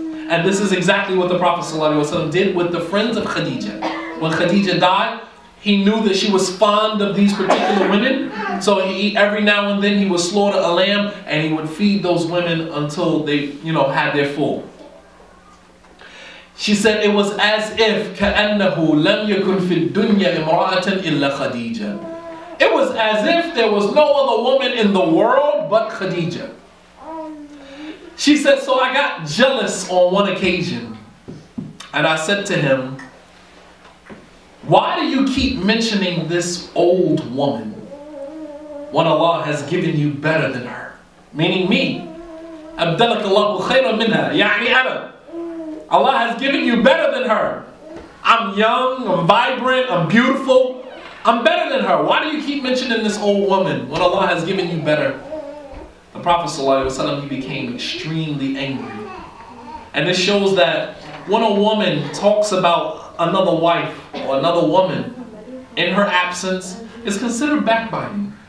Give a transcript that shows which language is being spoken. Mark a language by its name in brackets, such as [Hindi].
[English] And this is exactly what the Prophet ﷺ did with the friends of Khadija. When Khadija died, he knew that she was fond of these particular women. So every now and then he would slaughter a lamb and he would feed those women until they, you know, had their full. She said it was as if [Arabic] كَأَنَّهُ لَمْ يَكُنْ فِي الدُّنْيَا إِمْرَأَةً إِلَّا خَدِيجَةً. [English] It was as if there was no other woman in the world but Khadija. She said, so I got jealous on one occasion. And I said to him, why do you keep mentioning this old woman when Allah has given you better than her? Meaning me. [Arabic] أبدلك الله خيرا منها يعني أنا. [English] Allah has given you better than her. I'm young, I'm vibrant, I'm beautiful. I'm better than her. Why do you keep mentioning this old woman when Allah has given you better? The Prophet ﷺ, he became extremely angry. And this shows that when a woman talks about another wife or another woman in her absence, it's considered backbiting.